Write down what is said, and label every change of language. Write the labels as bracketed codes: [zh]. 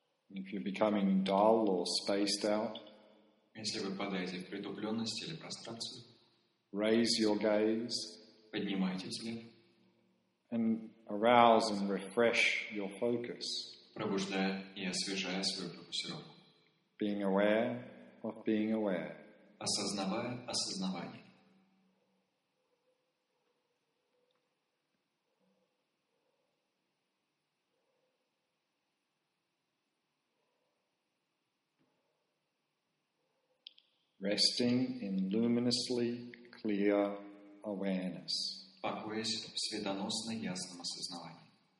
[en] If you're becoming dull or spaced out, [ru] если вы впадаете в притупленность или прострацию, [en] raise your gaze, [ru] поднимайте взгляд, [en] and arouse and refresh your focus, [ru] пробуждая и освежая свою фокусировку. [en] Being aware of being aware, [ru] осознавая осознавание. [en] Resting in luminously clear awareness. [ru] Покоясь в светоносно ясном осознавании.